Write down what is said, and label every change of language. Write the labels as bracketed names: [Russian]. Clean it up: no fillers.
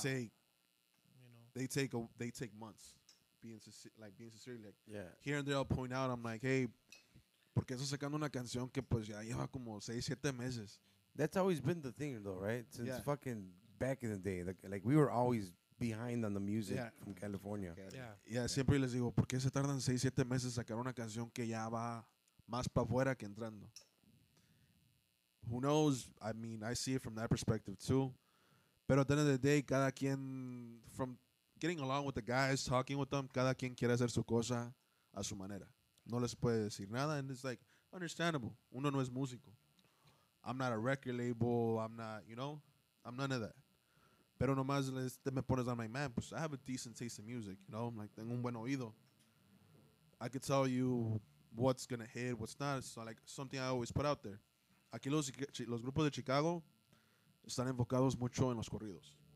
[English] They take, you know, they take months. Being sincere, like, yeah. Here and there, I'll point out, I'm like, hey, [Spanish] ¿por qué estás sacando una canción que pues ya lleva como 6-7 meses? [English] That's always been the thing, though, right? Since fucking back in the day, like we were always behind on the music from California. Yeah. [Spanish] Siempre les digo, ¿por qué se tardan 6-7 meses sacar una canción que ya va más para afuera que entrando? [English] Who knows? I mean, I see it from that perspective too. [Spanish] Pero [English] at the end of the day, [Spanish] cada quien, [English] from getting along with the guys, talking with them, [Spanish] cada quien quiere hacer su cosa a su manera. No les puede decir nada, [English] and it's like, understandable. [Spanish] Uno no es músico. [English] I'm not a record label. I'm not, you know, I'm none of that. [Spanish] Pero nomás te me pones, [English] I'm like, man, [Spanish] pues [English] I have a decent taste in music, you know? I'm like, [Spanish] tengo un buen oído. [English] I could tell you what's going to hit, what's not. It's like something I always put out there. [Spanish] Aquí los grupos de Chicago están enfocados mucho en los corridos.